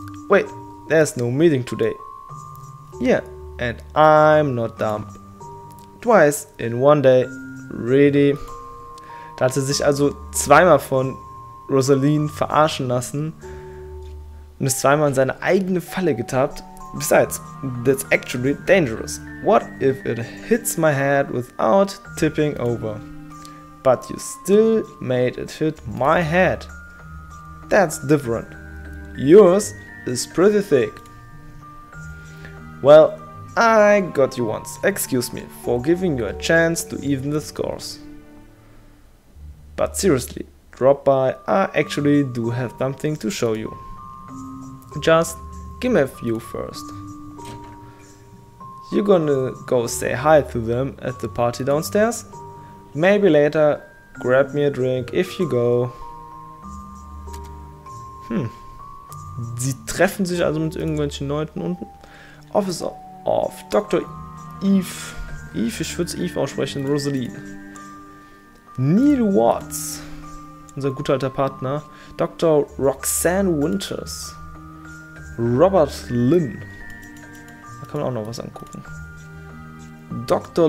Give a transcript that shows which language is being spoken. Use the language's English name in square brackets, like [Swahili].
[English] Wait, there's no meeting today. Yeah, and I'm not dumb. Twice in one day. Really? [German] Da hat er sich also zweimal von Rosaline verarschen lassen und ist zweimal in seine eigene Falle getappt. [English] Besides, that's actually dangerous. What if it hits my head without tipping over? But you still made it hit my head. That's different. Yours is pretty thick. Well, I got you once. Excuse me for giving you a chance to even the scores. But seriously, drop by, I actually do have something to show you. Just give me a few first. You're gonna go say hi to them at the party downstairs? Maybe later, grab me a drink if you go. [German] Sie treffen sich also mit irgendwelchen Leuten unten. [English] Office of Dr. Eve. [German] Eve, ich würde Eve aussprechen, Rosaline. Neil Watts. Unser guter alter Partner, Dr. Roxanne Winters, Robert Lynn, da kann man auch noch was angucken, Dr.